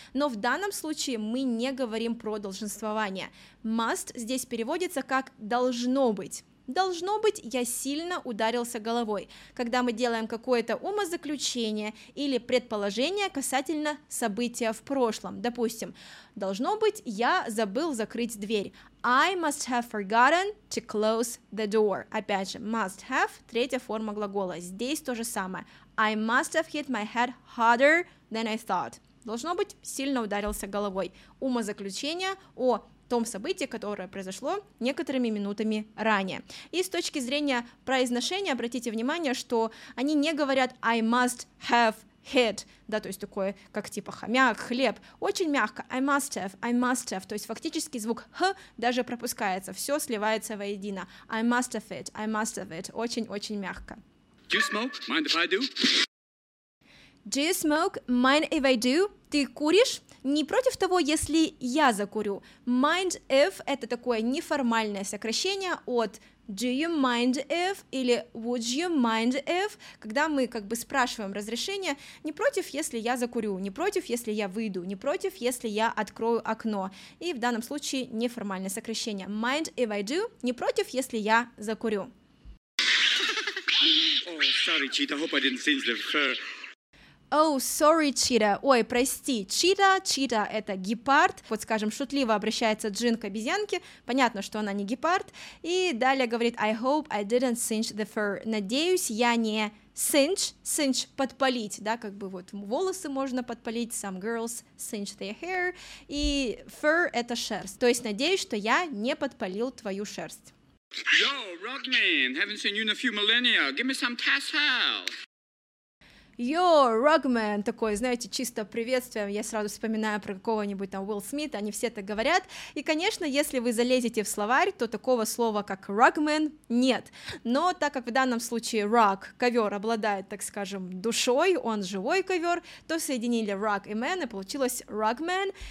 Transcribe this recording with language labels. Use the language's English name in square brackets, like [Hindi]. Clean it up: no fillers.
[Russian] Но в данном случае мы не говорим про долженствование. Must здесь переводится как должно быть. Должно быть, я сильно ударился головой, когда мы делаем какое-то умозаключение или предположение касательно события в прошлом. Допустим, должно быть, я забыл закрыть дверь. [English] I must have forgotten to close the door. [Russian] Опять же, must have, третья форма глагола. Здесь то же самое. [English] I must have hit my head harder than I thought. [Russian] Должно быть, сильно ударился головой. Умозаключение о том событии, которое произошло некоторыми минутами ранее. И с точки зрения произношения, обратите внимание, что они не говорят [English] I must have hit, [Russian] да, то есть такое, как типа хомяк, хлеб, очень мягко, I must have, то есть фактически звук х даже пропускается, все сливается воедино, [English] I must have it, I must have it, [Russian] очень-очень мягко. [English] Do you smoke? Mind if I do? Do you smoke? Mind if I do? [Russian] Ты куришь? Не против того, если я закурю. Mind if – это такое неформальное сокращение от [English] do you mind if [Russian] или [English] would you mind if, [Russian] когда мы как бы спрашиваем разрешение, не против, если я закурю, не против, если я выйду, не против, если я открою окно. И в данном случае неформальное сокращение. [English] Mind if I do [Russian] – не против, если я закурю. [English] Oh, sorry, cheetah, hope I didn't sing the fur. Oh, sorry, cheetah. [Russian] Ой, прости, cheetah. Cheetah – это гепард. Вот, скажем, шутливо обращается Джин к обезьянке. Понятно, что она не гепард. И далее говорит [English] I hope I didn't singe the fur. [Russian] Надеюсь, я не singe. Singe – подпалить, да, как бы вот волосы можно подпалить. [English] Some girls singe their hair. И fur – [Russian] это шерсть. То есть, надеюсь, что я не подпалил твою шерсть. [English] Yo, Rockman, haven't seen you in a few millennia. Give me some tassel. Yo, Rockman, [Russian] такое, знаете, чисто приветствие, я сразу вспоминаю про какого-нибудь там Уилл Смита, они все так говорят, и, конечно, если вы залезете в словарь, то такого слова, как Rockman, нет, но так как в данном случае Rock, ковер, обладает, так скажем, душой, он живой ковер, то соединили Rock и Man, и получилось Rockman,